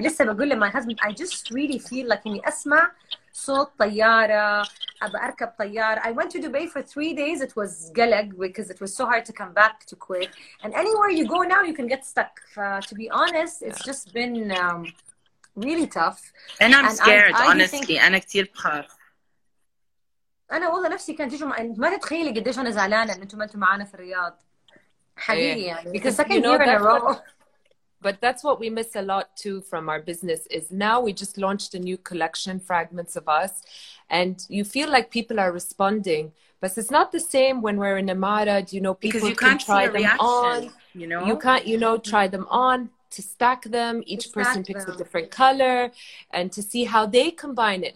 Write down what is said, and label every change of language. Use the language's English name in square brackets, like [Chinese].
[Arabic] لسه بقول لي [English] my husband, I just really feel like [Arabic] إني أسمع صوت طيارة, أبى أركب طيارة. [English] I went to Dubai for 3 days. It was قلق because it was so hard to come back to Kuwait. And anywhere you go now, you can get stuck. To be honest, it's just been really tough. And I'm scared, honestly. [Arabic] أنا كتير بخاف. أنا والله نفسي كانت تجمع ما تتخيلي قديش أنا زعلانة إن أنتم أنتم معانا في الرياض حقيقي يعني [English] because second year in a row. But that's what we miss a lot too from our business is now we just launched a new collection, Fragments of Us, and you feel like people are responding, but it's not the same when we're in Emirates, you know, people you can't can try them reaction, on, you know, you can't, you know, try them on to stack them. Each stack person picks them. A different color and to see how they combine it.